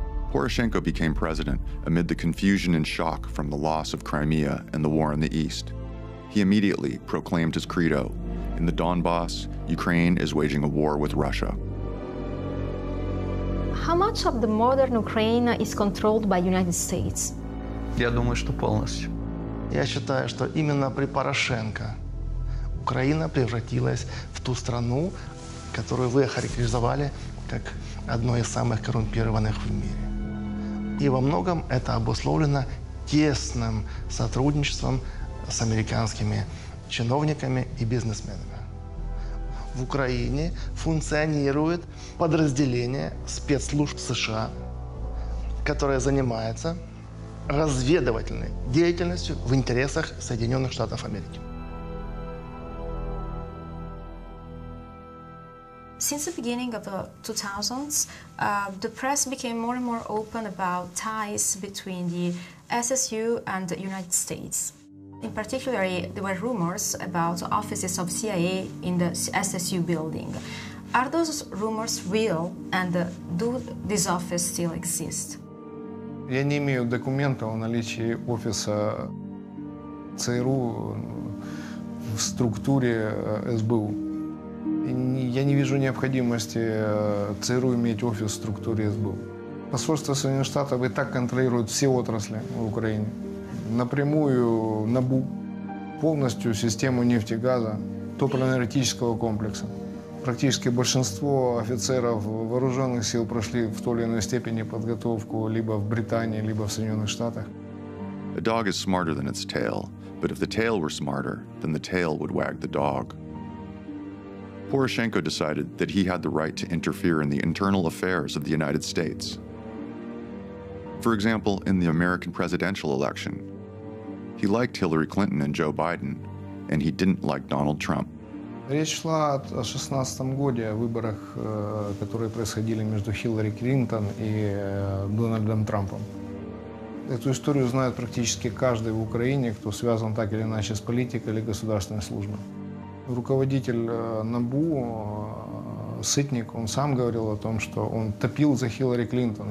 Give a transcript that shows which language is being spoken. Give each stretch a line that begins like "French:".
English: Poroshenko became president amid the confusion and shock from the loss of Crimea and the war in the East. He immediately proclaimed his credo: in the Donbas, Ukraine is waging a war with Russia. How much of the modern Ukraine is controlled by the United States?
Russian: Я думаю, что полностью. Я считаю, что именно при Порошенко Украина превратилась в ту страну, которую вы охарактеризовали как одной из самых коррумпированных в мире. И во многом это обусловлено тесным сотрудничеством с американскими чиновниками и бизнесменами. В Украине функционирует подразделение спецслужб США, которое занимается разведывательной деятельностью в интересах Соединенных Штатов Америки.
English: Since the beginning of the 2000s, the press became more and more open about ties between the SSU and the United States. In particular, there were rumors about offices of CIA in the SSU building. Are those rumors real, and do these offices still exist?
Russian: Я не имею документа о наличии офиса ЦРУ в структуре СБУ. Я не вижу необходимости ЦРУ иметь офис в структуре СБУ. Посольство Соединенных Штатов и так контролирует все отрасли в Украине. Напрямую НАБУ, полностью систему нефти и газа, топливно-энергетического комплекса. Практически большинство офицеров вооруженных сил прошли в той или иной степени подготовку либо в Британии, либо в Соединенных Штатах.
English: A dog is smarter than its tail, but if the tail were smarter, then the tail would wag the dog. Poroshenko decided that he had the right to interfere in the internal affairs of the United States. For example, in the American presidential election, he liked Hillary Clinton and Joe Biden, and he didn't like Donald Trump.
Russian: Речь шла о 2016 году, о выборах, которые происходили между Хиллари Клинтон и Дональдом Трампом. Эту историю знает практически каждый в Украине, кто связан так или иначе с политикой или государственной службой. Руководитель НАБУ, Сытник, он сам говорил о том, что он топил за Хиллари Клинтон.